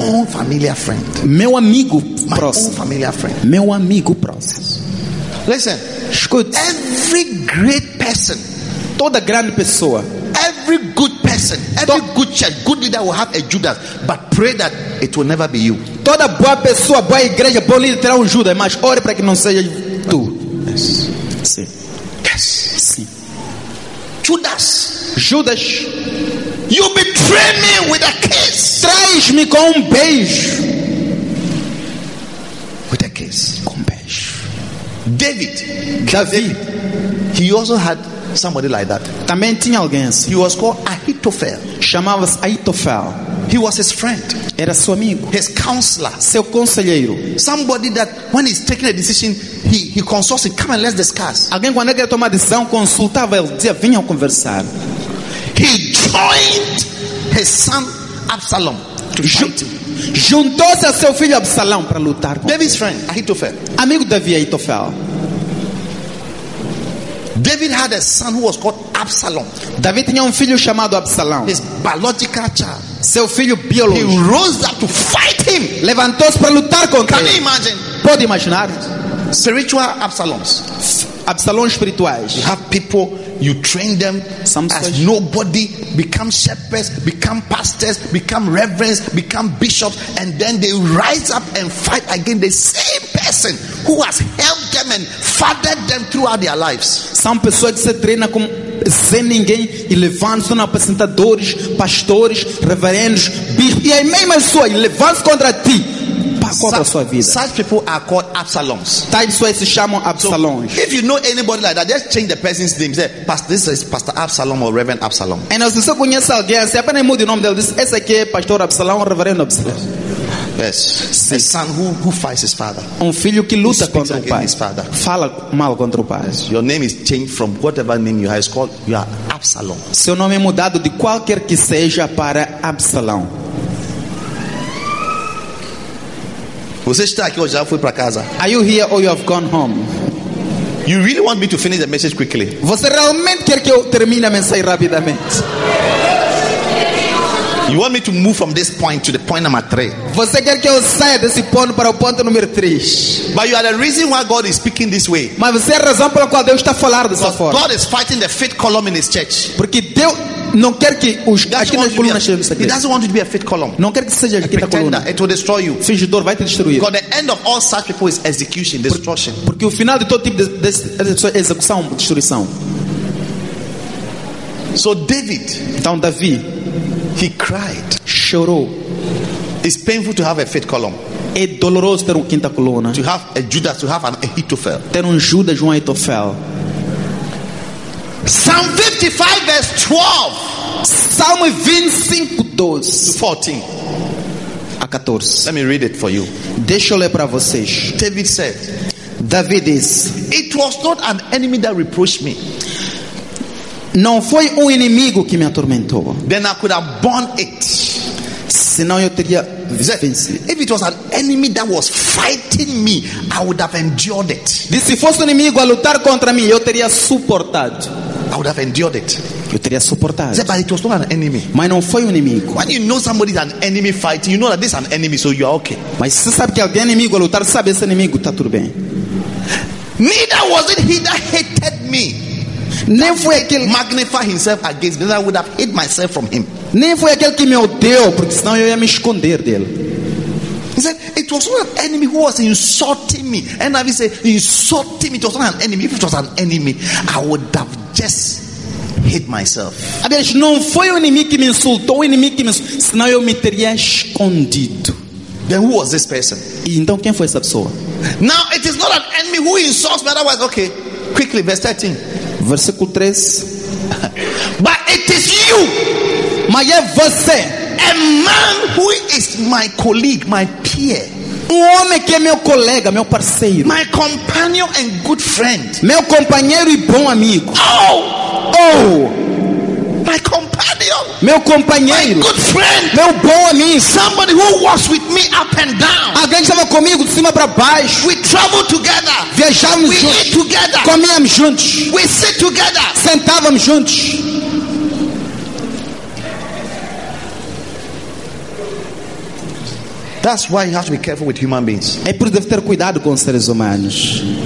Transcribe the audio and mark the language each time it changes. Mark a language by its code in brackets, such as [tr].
[en] Own familiar friend. [pt] Meu amigo próximo. [en] My own familiar friend. [pt] Meu amigo próximo. [en] Listen. [pt] Escute. [en] Every great person. [pt] Toda grande pessoa. [en] Every good person, every good church, good leader will have a Judas, but pray that it will never be you. [pt] Toda boa pessoa, boa igreja, bom líder terá Judas, mas ore para que não seja tu. [en] Yes. [pt] Sim. [en] Yes. [pt] Sim. [en] Judas. [pt] Judas. [en] You betray me with a kiss. [pt] Traz-me com beijo. [en] With a kiss. [pt] Com beijo. [en] David. [pt] David. [en] He also had somebody like that. [pt] Também tinha alguém assim. [en] He was called Ahitophel. [pt] Chamava-se Ahitophel. [en] He was his friend. [pt] Era seu amigo. [en] His counselor. [pt] Seu conselheiro. [en] Somebody that when he's taking a decision, he consults him. Come and let's discuss. [pt] Alguém quando ele tomava decisão consultava ele. Dizia, vinha conversar. [en] He joined his son Absalom. [pt] Juntou-se a seu filho Absalom para lutar com [en] David's friend Ahitophel. [pt] Amigo Davi Ahitophel. [en] David had a son who was called Absalom. [pt] David tinha filho chamado Absalom. [en] His biological child. [pt] Seu filho biológico. [en] He rose up to fight him. [pt] Levantou-se para lutar contra [en] ele. Can you imagine? [pt] Pode imaginar? [en] Spiritual Absaloms. [pt] Absalons espirituais. [en] You have people, you train them sometimes. As nobody, become shepherds, become pastors, become reverends, become bishops, and then they rise up and fight against the same person who has helped them and fathered them throughout their lives. [pt] São pessoas que se treinam como sem ninguém e levantam-se são apresentadores, pastores, reverendos, bispos, e a mesma pessoa levanta-se contra ti. [en] Such people are called Absaloms. Times where [pt] se chamam Absalons. [en] So, if you know anybody like that, just change the person's name. Say, this is Pastor Absalom or Reverend Absalom. [pt] And as você conhece alguém, se apenas mude o nome dele, diz, esse aqui é Pastor Absalom ou Reverendo Absalom. [en] Yes. A son who fights his father. [pt] Um filho que luta contra o pai. [en] His father. [pt] Fala mal contra o pai. [en] Yes. Your name is changed from whatever name you have. It's called you are Absalom. [pt] Seu nome é mudado de qualquer que seja para Absalom. Você está aqui ou já foi para casa? [en] Are you here or you have gone home? You really want me to finish the message quickly? [pt] Você realmente quer que eu termine a mensagem rapidamente? [en] You want me to move from this point to the point number 3? [pt] Você quer que eu saia desse ponto para o ponto número 3? [en] But you are the reason why God is speaking this way. [pt] Mas você é a razão pela qual Deus está a falar dessa forma. [en] God is fighting the faith column in His church. [pt] Porque Deus não quer que os aquelas colunas cheguem aqui. [en] He doesn't want you to be a faith column. [pt] Não quer que seja aqui a coluna. [en] It will destroy you. [pt] Fingidor vai te destruir. [en] Because the end of all such people is execution, destruction. [pt] Porque o final de todo tipo de pessoas é execução, destruição. [en] So David, [pt] então Davi, [en] he cried, [pt] chorou. [en] It's painful to have a faith column. [pt] É doloroso ter uma quinta coluna. [en] To have a Judas, to have an Ahitophel. [pt] Ter Judas, um Ahitophel. [en] Psalm 55 verse 12. Psalm 25 12 to 14. [pt] A 14. [en] Let me read it for you. [pt] Deixa eu ler para vocês. [en] David said, David is, it was not an enemy that reproached me. [pt] Não foi inimigo que me atormentou. [en] Then I could have borne it. [pt] Senão eu teria vencido. [en] If it was an enemy that was fighting me, I would have endured it. [pt] Diz, se fosse inimigo a lutar contra mim, eu teria suportado. [en] I would have endured it. [pt] Eu teria suportado. [en] Said, but it was not an enemy. [pt] Mas não foi inimigo. [en] When you know somebody is an enemy fighting, you know that this is an enemy, so you are okay. [pt] Mas se sabe que alguém é inimigo a lutar, sabe esse inimigo está tudo bem. [en] Neither was it he that hated me. [pt] Nem foi aquele [en] que magnify himself against me, then I would have hid myself from him. [pt] Nem foi aquele que me odeou, porque senão eu ia me esconder dele. [en] He said, it was not an enemy who was insulting me. And I said, insulting me, it was not an enemy. If it was an enemy, I would have just hid myself. [pt] Aliás, não foi o inimigo que me insultou, senão eu me teria escondido. [en] Then who was this person? [pt] E então quem foi essa pessoa? [en] Now it is not an enemy who insults me, otherwise, okay, quickly, verse 13. [pt] Versículo 3. [en] But it is you, [pt] mas é você, [en] a man who is my colleague, my peer, [pt] um homem que é meu colega, meu parceiro, [en] my companion and good friend, [pt] meu companheiro e bom amigo. Oh, oh, [en] my companion, [pt] meu companheiro, [en] my good friend, [pt] meu bom amigo, [en] somebody who walks with me up and down, [pt] alguém que estava comigo de cima para baixo. [en] We travel together, [pt] viajamos juntos, [en] we eat together, [pt] comíamos juntos, [en] we sit together, [pt] sentávamos juntos. [en] That's why you have to be careful with human beings. [pt] É por deve ter cuidado com os seres humanos.